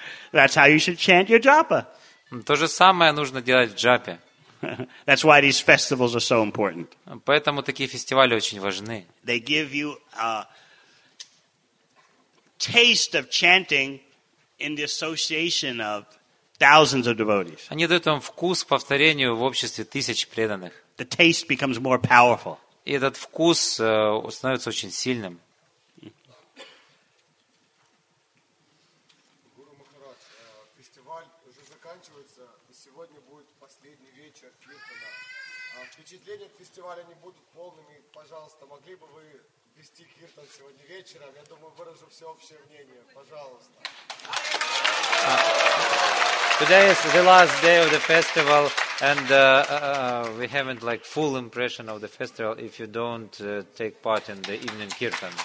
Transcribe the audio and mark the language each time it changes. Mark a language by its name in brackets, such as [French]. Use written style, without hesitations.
[English] That's how you should chant your japa. [Russian] То же самое нужно делать в джапе. [English] That's why these festivals are so important. [Russian] Поэтому такие фестивали очень важны. [English] They give you a taste of chanting in the association of thousands of devotees. [Russian] Они дают вам вкус повторению в обществе тысяч преданных. [English] The taste becomes more powerful. [Russian] И этот вкус становится очень сильным. Гуру Махарадж, фестиваль уже заканчивается, и сегодня будет последний вечер киртана. Впечатления от фестиваля не будут полными. Пожалуйста, могли бы вы вести киртан сегодня вечером? Я думаю, выражу всеобщее мнение. Пожалуйста. [English] Today is the last day of the festival, and we haven't like full impression of the festival if you don't take part in the evening kirtan.